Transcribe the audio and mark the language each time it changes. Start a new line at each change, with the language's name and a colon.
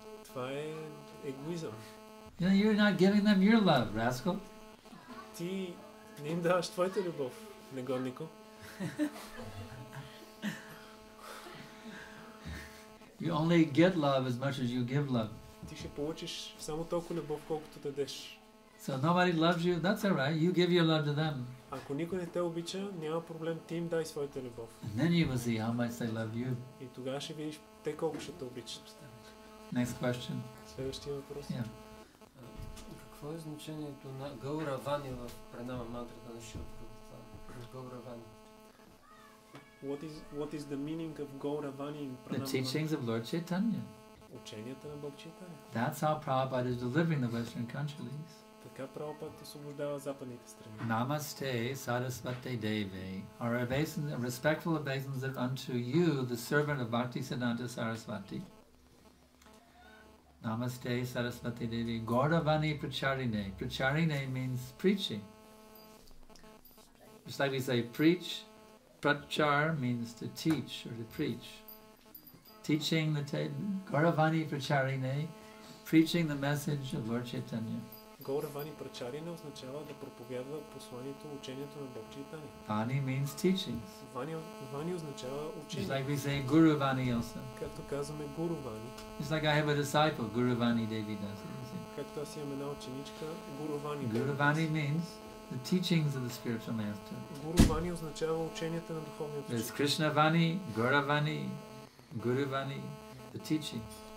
Bulgarian: Това е егоизъм.
English: You know, you're not giving them your love, rascal.
Bulgarian: Ти не им даваш твоята любов, негоднико.
English: You only get love as much as you give love.
Bulgarian: Ти ще получиш само толкова любов, колкото дадеш.
English: So nobody loves you, that's all right. You give your love to them.
Bulgarian: Ако никой не те обича, няма проблем, ти им дай своята любов.
English: And then you will see how much they love you.
Bulgarian: И тогава ще видиш те колко ще те обичат.
English: Next question.
Bulgarian: Следващия въпрос.
English: Yeah.
Bulgarian: Какво е значението на Гауравани в пренама мантрата на Шила Прабхупада? Гауравани.
English: What is the meaning of Gauravani in Pranamama? The teachings of Lord Chaitanya.
Bulgarian: Ученията на Бог Чайтанья.
English: That's how Prabhupada is delivering the Western countries.
Bulgarian: Така Прабхупада освобождава западните страни.
Sanskrit: Namaste Sarasvate Deve.
English: Our obeisance, respectful obeisance unto you, the servant of Bhakti Siddhanta Sarasvati.
Sanskrit: Namaste Sarasvati Devi. Gauravani Pracharine.
English: Pracharine means preaching. Just like we say preach, Prachar means to teach or to preach. Teaching the Gauravani Pracharine, preaching the message of Lord Chaitanya.
Bulgarian: Gauravani Pracharine означава да проповядва посланието, учението на Бог Чайтанья.
English: Vani means teachings.
Bulgarian: Vani означава учение.
English: It's like we say Guru Vani also.
Bulgarian: Както казваме Guru Vani.
English: It's like I have a disciple, Guru Vani Devi does it.
Bulgarian: Както аз имам една ученичка, Guru Vani.
English: Guru Vani means the teachings of the spiritual master.
Bulgarian: Guru Vani означава ученията на духовния учител.
English: There's Krishna Vani, Gaura Vani, Guru Vani, the teachings.